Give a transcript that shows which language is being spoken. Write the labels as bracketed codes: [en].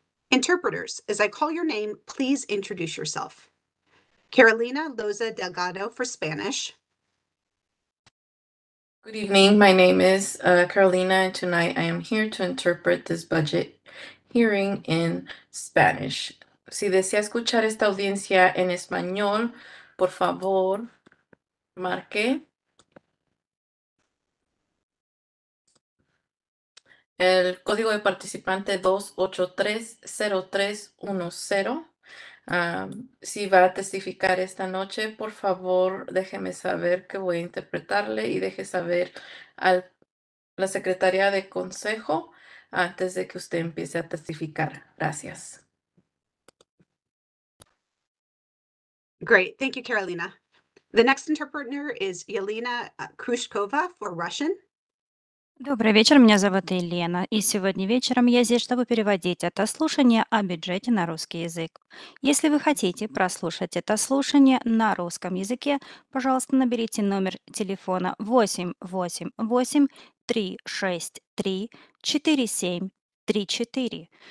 [en] Interpreters, as I call your name, please introduce yourself. Carolina Loza Delgado for Spanish. Good evening, my name is Carolina, and tonight I am here to interpret this budget hearing in Spanish. [es] Si desea escuchar esta audiencia en español, por favor, marque. El código de participante 2830310. Si va a testificar esta noche, por favor, déjeme saber que voy a interpretarle y deje saber a la secretaria de consejo antes de que usted empiece a testificar. Gracias. [en] Great. Thank you, Carolina. The next interpreter is Yelena Krushkova for Russian. [ru] Добрый вечер, меня зовут Елена, и сегодня вечером я здесь, чтобы переводить это слушание о бюджете на русский язык. Если вы хотите прослушать это слушание на русском языке, пожалуйста, наберите номер телефона 888-363-4734.